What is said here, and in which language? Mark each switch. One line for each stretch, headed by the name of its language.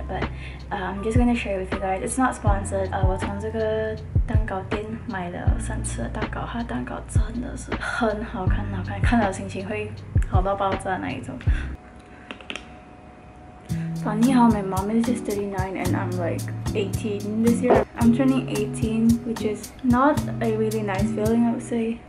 English: But I'm just gonna share with you guys. It's not sponsored.
Chinese: 我从这个蛋糕店买了三次的蛋糕，它的蛋糕真的是很好看，很好看，看到心情会。好到爆炸那一种。
English: Funny how my mom is just 39 and I'm like 18 this year. I'm turning 18, which is not a really nice feeling, I would say.